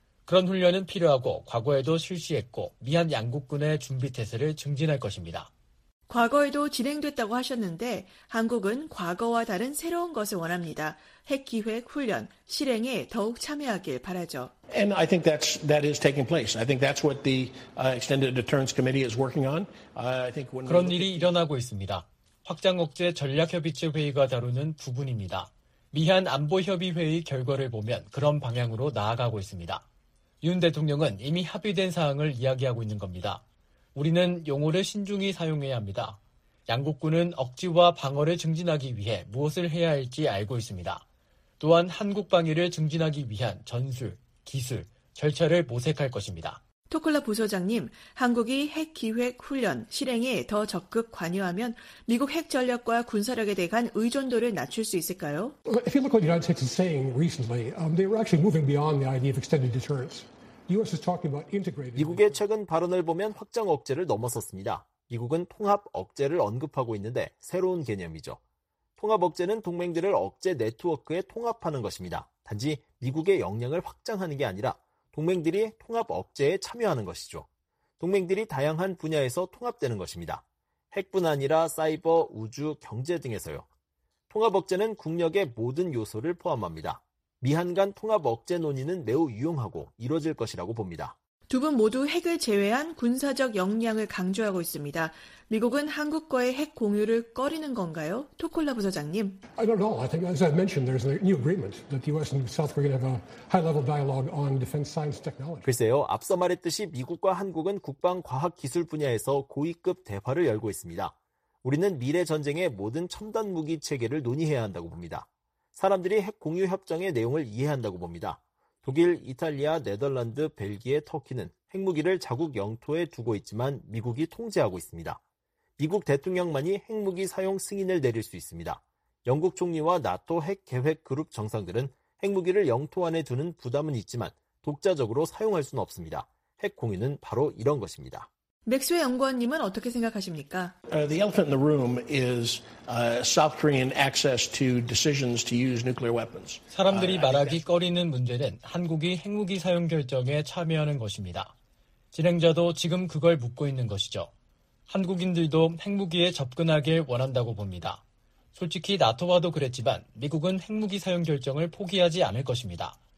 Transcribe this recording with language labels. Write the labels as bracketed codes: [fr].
[ko] 그런 훈련은 필요하고 과거에도 실시했고 미한 양국군의 준비태세를 증진할 것입니다. 과거에도 진행됐다고 하셨는데 한국은 과거와 다른 새로운 것을 원합니다. 핵 기획 훈련 실행에 더욱 참여하길 바라죠. [en] And I think that is taking place. I think that's what the Extended Deterrence Committee is working on. I think when [ko] 그런 일이 일어나고 있습니다. 확장 억제 전략 협의체 회의가 다루는 부분입니다. 미한 안보협의회의 결과를 보면 그런 방향으로 나아가고 있습니다. 윤 대통령은 이미 합의된 사항을 이야기하고 있는 겁니다. 우리는 용어를 신중히 사용해야 합니다. 양국군은 억지와 방어를 증진하기 위해 무엇을 해야 할지 알고 있습니다. 또한 한국 방위를 증진하기 위한 전술, 기술, 절차를 모색할 것입니다. 토클라 부소장님, 한국이 핵 기획 훈련 실행에 더 적극 관여하면 미국 핵 전력과 군사력에 대한 의존도를 낮출 수 있을까요? [en] If you look what the United States is saying recently, they were actually moving beyond the idea of extended deterrence. U.S. is talking about integrated. [ko] 미국의 최근 발언을 보면 확장 억제를 넘어섰습니다. 미국은 통합 억제를 언급하고 있는데 새로운 개념이죠. 통합 억제는 동맹들을 억제 네트워크에 통합하는 것입니다. 단지 미국의 역량을 확장하는 게 아니라 동맹들이 통합 억제에 참여하는 것이죠. 동맹들이 다양한 분야에서 통합되는 것입니다. 핵뿐 아니라 사이버, 우주, 경제 등에서요. 통합 억제는 국력의 모든 요소를 포함합니다. 미한 간 통합 억제 논의는 매우 유용하고 이뤄질 것이라고 봅니다. 두 분 모두 핵을 제외한 군사적 역량을 강조하고 있습니다. 미국은 한국과의 핵 공유를 꺼리는 건가요? 토콜라 부서장님. [en] I don't know. I think as I mentioned there's a new agreement that the US and South Korea have a high level dialogue on defense science technology. [ko] 글쎄요. 앞서 말했듯이 미국과 한국은 국방 과학 기술 분야에서 고위급 대화를 열고 있습니다. 우리는 미래 전쟁의 모든 첨단 무기 체계를 논의해야 한다고 봅니다. 사람들이 핵 공유 협정의 내용을 이해한다고 봅니다. 독일, 이탈리아, 네덜란드, 벨기에, 터키는 핵무기를 자국 영토에 두고 있지만 미국이 통제하고 있습니다. 미국 대통령만이 핵무기 사용 승인을 내릴 수 있습니다. 영국 총리와 나토 핵계획 그룹 정상들은 핵무기를 영토 안에 두는 부담은 있지만 독자적으로 사용할 수는 없습니다. 핵 공유는 바로 이런 것입니다. 맥스웰 연구원님은 어떻게 생각하십니까? [en] The elephant in the room is South Korean access to decisions to use nuclear weapons. [ko] 사람들이 말하기 꺼리는 문제는 한국이 핵무기 사용 결정에 참여하는 것입니다. 진행자도 지금 그걸 묻고 있는 것이죠. 한국인들도 핵무기에 접근하길 원한다고 봅니다. 솔직히 나토와도 그랬지만 미국은 핵무기 사용 결정을 포기하지 않을 것입니다.